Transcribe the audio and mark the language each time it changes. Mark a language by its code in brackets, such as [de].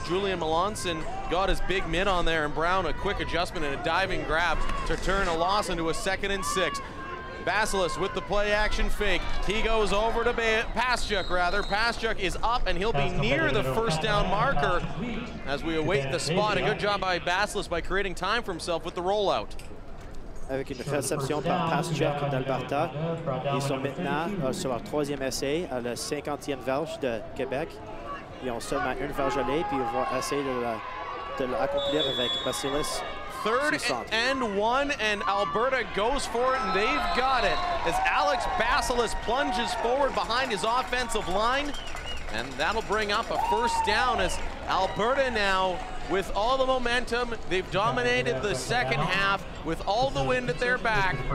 [en] Julian Melanson got his big mitt on there, and Brown a quick adjustment and a diving grab to turn a loss into a second and six. Basilis with the play action fake. He goes over to Pastchuk, rather. Pastchuk is up, and he'll be near the first down marker as we await the spot. A good job by Basilis by creating time for himself with the rollout. [fr] avec une réception par Pastrzak d'Alberta. Ils sont maintenant sur leur troisième essai à la 50e verge de Québec. Ils ont seulement une verge à l'aide, puis ils vont essayer de l'accomplir avec Vasilis. [en] Third and one, and Alberta goes for it, and they've got it as Alex Vasilis plunges forward behind his offensive line. And that'll bring up a first down as Alberta now, with all the momentum, they've dominated the second half with all the wind at their back.